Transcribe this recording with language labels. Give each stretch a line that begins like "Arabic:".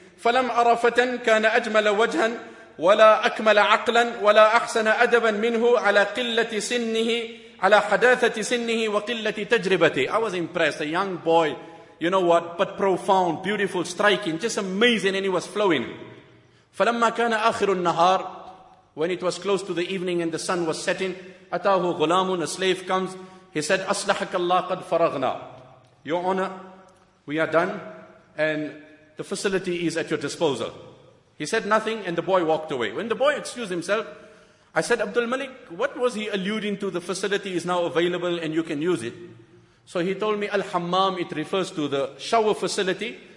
Arabic: فَلَمْ أَرَفَةً كَانَ أَجْمَلَ وَجْهًا وَلَا أَكْمَلَ عَقْلًا وَلَا أَحْسَنَ أَدَبًا مِنْهُ عَلَى قِلَّةِ سِنِّهِ عَلَى حَدَاثَةِ سِنِّهِ وَقِلَّةِ تَجْرِبَتِهِ.
English: I was impressed. A young boy, you know what, but profound, beautiful, striking, just amazing, and he was flowing.
Arabic: فَلَمَّا كَانَ آخِرُ النَّهَارِ.
English: When it was close to the evening and the sun was setting,
Arabic: أَتَاهُ غُلَامٌ.
English: A slave comes. He said,
Arabic: أَصْلَحَكَ اللَّهُ قَدْ فَرَغْنَا.
English: Your Honor, we are done and the facility is at your disposal. He said nothing and the boy walked away. When the boy excused himself, I said, Abdul Malik, what was he alluding to? The facility is now available and you can use it. So he told me, Al-Hammam, it refers to the shower facility.